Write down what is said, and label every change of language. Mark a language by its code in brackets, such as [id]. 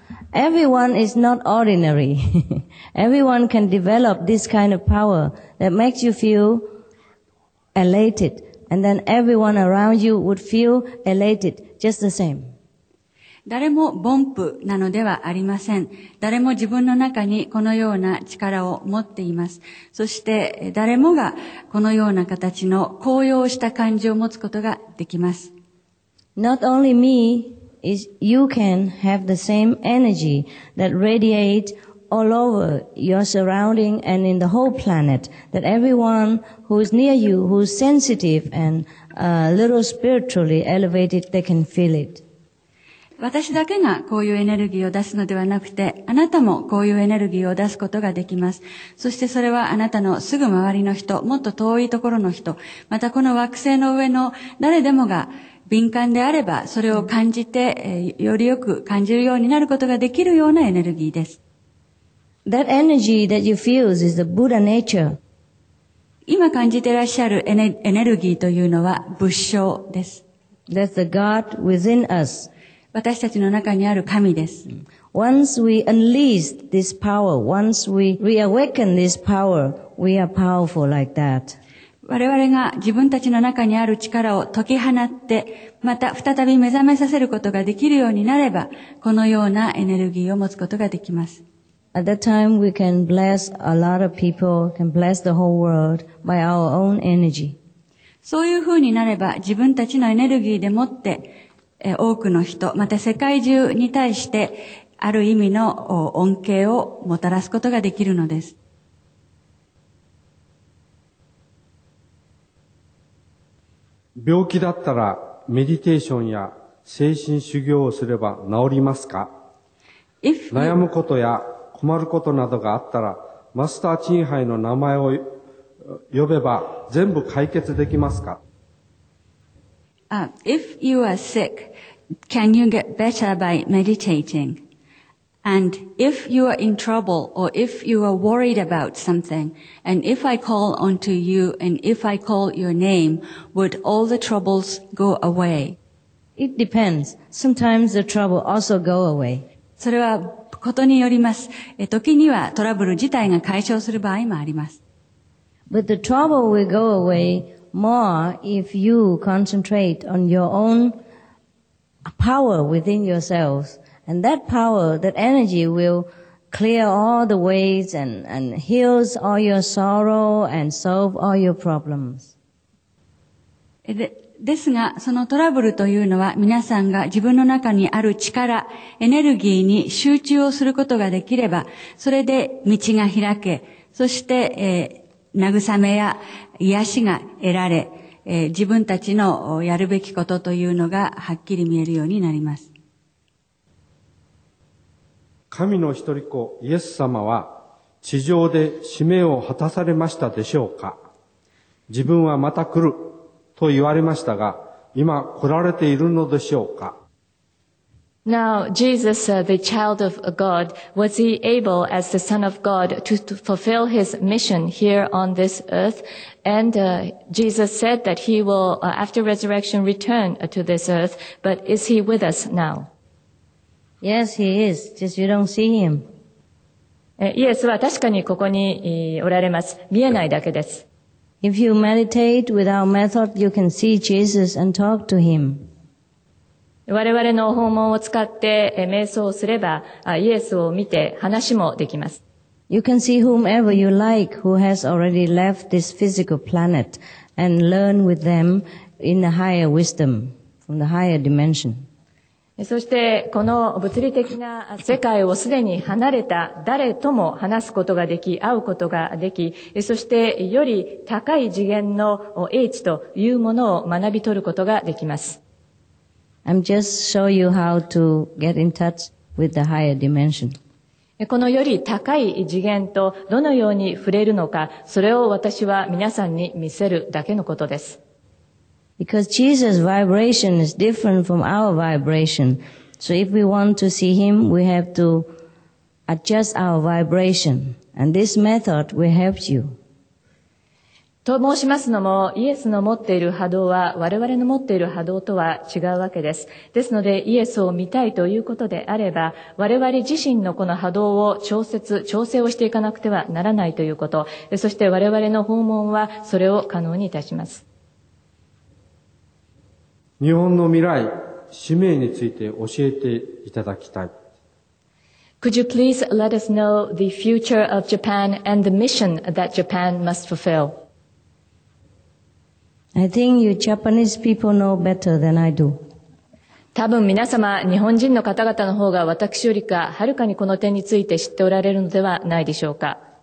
[en] Everyone is not ordinary. Everyone can develop this kind of power that makes you feel elated. And then everyone around you would feel elated, just the same. [ja] 誰も凡夫なのではありません。誰も自分の中にこのような力を持っています。そして誰もがこのような形の高揚した感じを持つことができます。 [en] Not only me, you can have the same energy that radiates all over your surrounding and in the whole planet. That everyone who is near you, who is sensitive and a little spiritually elevated, they can feel it. [ja] 私だけがこういうエネルギーを出すのではなくて、あなたもこういうエネルギーを出すことができます。そしてそれはあなたのすぐ周りの人、もっと遠いところの人、またこの惑星の上の誰でもが敏感であれば、それを感じて、よりよく感じるようになることができるようなエネルギーです。 [en] That energy that you feel is the Buddha nature. [ja] 今感じていらっしゃるエネルギーというのは仏性です。 [en] That's the God within us. [ja] 私たちの中にある神です。 [en] Once we unleash this power, once we reawaken this power, we are powerful like that. [ja] 我々が自分たちの中にある力を解き放って、また再び目覚めさせることができるようになれば、このようなエネルギーを持つことができます。 [en] At that time, we can bless a lot of people, can bless the whole world by our own energy. [ja] そういうふうになれば、自分たちのエネルギーでもって、多くの人、また世界中に対してある意味の恩恵をもたらすことができるのです。病気だったらメディテーションや精神修行をすれば治りますか？ [en] If [ja] 悩むことや困ることなどがあったら、マスター・チンハイの名前を呼べば全部解決できますか？ [en] If you are sick, can you get better by meditating? And if you are in trouble or if you are worried about something, and if I call onto you and if I call your name, would all the troubles go away? It depends. Sometimes the trouble also go away. [ja] それはことによります。時にはトラブル自体が解消する場合もあります。 [en] But the trouble will go away more if you concentrate on your own power within yourselves. And that power, that energy will clear all the ways and heals all your sorrow and solve all your problems. [ja] ですが、そのトラブルというのは皆さんが自分の中にある力、エネルギーに集中をすることができれば、それで道が開け、そして、慰めや癒しが得られ、自分たちのやるべきことというのがはっきり見えるようになります。神の一人子イエス様は地上で使命を果たされましたでしょうか？自分はまた来ると言われましたが、今来られているのでしょうか？ [en] Now, Jesus, the child of God, was he able as the son of God to fulfill his mission here on this earth? And Jesus said that he will, after resurrection, return to this earth, but is he with us now? Yes, he is. Just you don't see him. [ja] イエスは確かにここにおられます。見えないだけです。 [en] If you meditate with our method, you can see Jesus and talk to him. [ja] 我々の訪問を使って瞑想をすれば、イエスを見て話もできます。 [en] You can see whomever you like who has already left this physical planet and learn with them in the higher wisdom from the higher dimension. [ja] そしてこの物理的な世界をすでに離れた誰とも話すことができ、会うことができ、そしてより高い次元の英知というものを学び取ることができます。 [en] I'm just show you how to get in touch with the higher dimension. [ja] このより高い次元とどのように触れるのか、それを私は皆さんに見せるだけのことです。 [en] Because Jesus' vibration is different from our vibration. So if we want to see him, we have to adjust our vibration. And this method will help you. [ja] と申しますのも、イエスの持っている波動は我々の持っている波動とは違うわけです。ですので、イエスを見たいということであれば、我々自身のこの波動を調整をしていかなくてはならないということ。そして我々の訪問はそれを可能にいたします。日本の未来、使命について教えていただきたい。 [en] Could you please let us know the future of Japan and the mission that Japan must fulfill? I think you Japanese people know better than I do. [ja] 多分皆様、日本人の方々の方が私よりかはるかにこの点について知っておられるのではないでしょうか。